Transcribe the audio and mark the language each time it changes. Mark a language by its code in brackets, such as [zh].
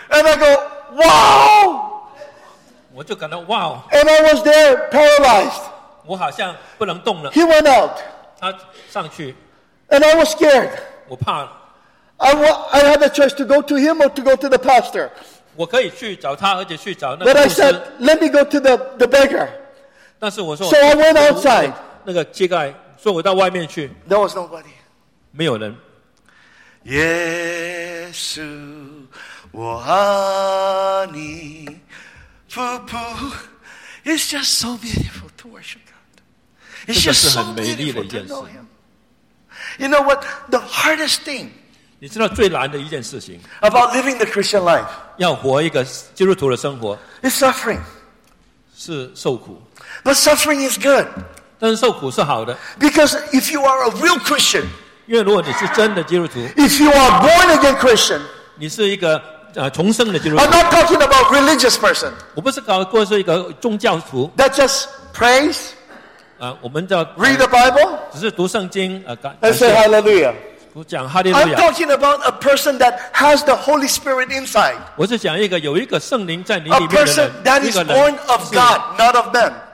[en] And I go, wow! [zh] 我就感到 wow! [en] And I was there, paralyzed. [zh] 我好像不能动了。 [en] He went out. [zh] 他上去。 [en] And I was scared. [zh] 我怕了。 [en] I had the choice to go to him or to go to the pastor. [zh] 我可以去找他，而且去找那个。 [en] But I said, let me go to the beggar. [zh] 但是我说。 [en] So I went outside. [zh] 那个乞丐说我到外面去。 [en] There was nobody. [zh] 没有人。耶稣，我爱你。 [en] 噗噗 ，It's just so beautiful to worship God. It's just so beautiful to know Him. You know what? The hardest thing. [zh] 你知道最难的一件事情 [en] about living the Christian life. [zh] 要活一个基督徒的生活 [en] is suffering. [zh] 是受苦 [en] But suffering is good. [zh] 但是受苦是好的 [en] Because if you are a real Christian, [zh] 因为如果你是真的基督徒 [en] if you are born again Christian, [zh] 你是一个重生的基督 [en] 徒。I'm not talking about religious person. [zh] 我不是搞过是一个宗教徒。 [en] That just prays. [zh] 我们叫 [en] read the Bible. [zh] 只是读圣经 [en] And say hallelujah. [zh] 讲 hallelujah. [en] I'm talking about a person that has the Holy Spirit inside. [zh] 我是讲一个有一个圣灵在你里面的人。 [en] A person that is born of God, not of man.